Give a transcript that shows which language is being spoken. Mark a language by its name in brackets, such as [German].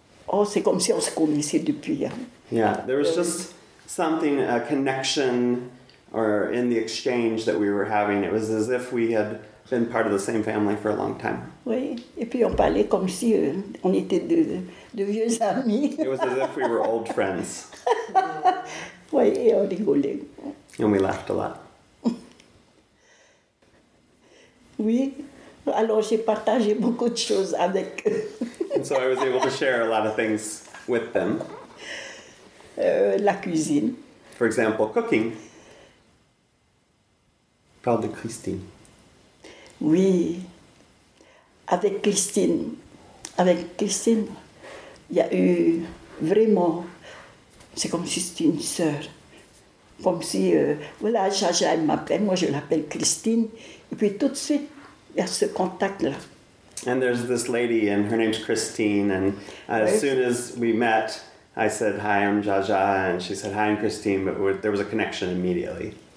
[French] Oh, c'est comme si on se connaissait depuis. Hein. [English] Yeah, there was just something, a connection, or in the exchange that we were having. It was as if we had... been part of the same family for a long time. [French] Oui, et puis on parlait comme si on était de vieux amis. [English] It was as if we were old friends. [French] Oui, et on rigolait. [English] And we laughed a lot. [French] Oui, alors j'ai partagé beaucoup de choses avec eux. [English] And so I was able to share a lot of things with them. [French] La cuisine. [English] For example, cooking. [French] Parle de Christine. Oui, avec Christine, il y a eu vraiment, c'est comme si c'était une sœur, comme si, voilà, Jaja, elle m'appelle, moi je l'appelle Christine, et puis tout de suite, il y a ce contact-là. [English] And there's this lady, and her name's Christine, and as soon as we met, I said, hi, I'm Jaja, and she said, hi, I'm Christine, but there was a connection immediately.